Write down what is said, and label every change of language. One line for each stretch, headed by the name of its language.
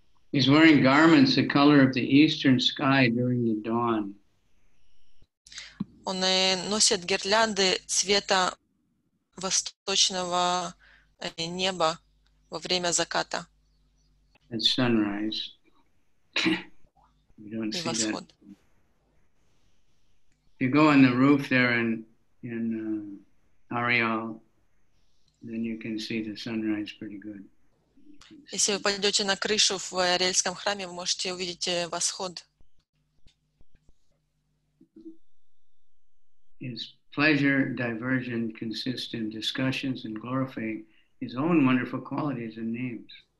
English: He's wearing garments the color of the eastern sky during the dawn.
Russian: Он носит гирлянды цвета восточного неба во время заката.
English: At sunrise. You don't see that. If you go on the roof there in Ariel, then you can see the sunrise pretty good.
Russian: Если вы пойдете на крышу в Ариэльском храме, вы можете увидеть восход.
English: His pleasure diversion consists in discussions and glorifying his own wonderful qualities and names.